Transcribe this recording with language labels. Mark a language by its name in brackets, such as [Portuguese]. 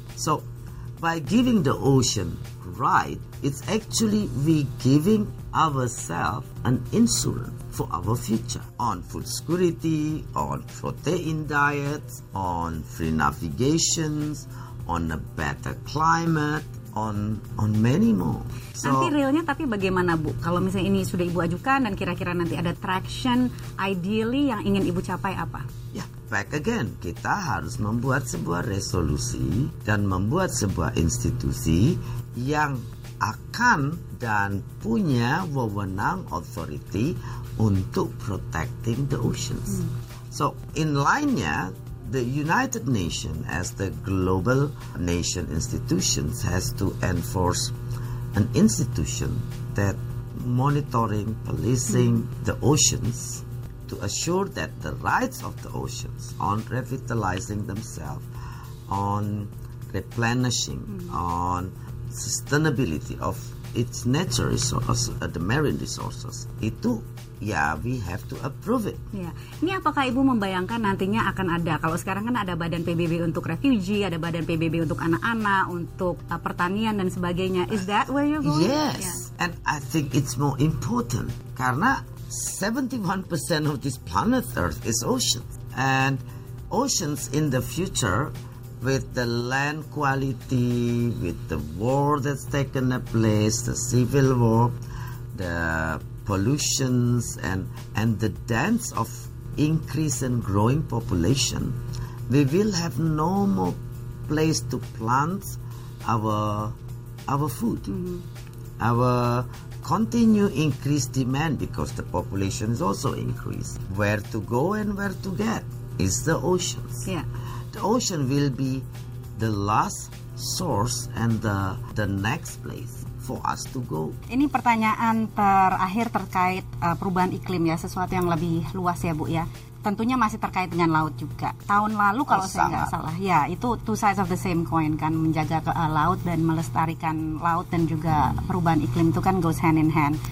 [English] So by giving the ocean right, it's actually we giving ourselves an insurance for our future on food security, on protein diets, on free navigations, on a better climate, on many more. [Indonesian] So, nanti realnya tapi bagaimana Bu? Kalau misalnya ini sudah Ibu ajukan dan kira-kira nanti ada traction, ideally yang ingin Ibu capai apa? Ya, back again, kita harus membuat sebuah resolusi dan membuat sebuah institusi yang akan dan punya wewenang authority untuk protecting the oceans. [English] So, in line-nya, the United Nations as the global nation institutions has to enforce an institution that monitoring, policing the oceans to assure that the rights of the oceans on revitalizing themselves, on replenishing, on sustainability of its natural resources, the marine resources, itu ya, we have to approve it. [Indonesian] Ya. Ini apakah Ibu membayangkan nantinya akan ada, kalau sekarang kan ada badan PBB untuk refugee, ada badan PBB untuk anak-anak, untuk pertanian dan sebagainya. [English] Is that where you're going? Yes, yeah. And I think it's more important karena 71% of this planet Earth is oceans. And oceans in the future, with the land quality, with the war that's taken a place, the civil war, the pollutions and the dance of increase and growing population, we will have no more place to plant our food. Our continue increased demand because the population is also increased. Where to go and where to get is the oceans. Yeah. The ocean will be the last source and the next place for us to go. [Indonesian] Ini pertanyaan terakhir terkait perubahan iklim ya, sesuatu yang lebih luas ya Bu ya. Tentunya masih terkait dengan laut juga. Tahun lalu kalau saya nggak salah, ya itu two sides of the same coin kan, menjaga laut dan melestarikan laut dan juga perubahan iklim itu kan goes hand in hand.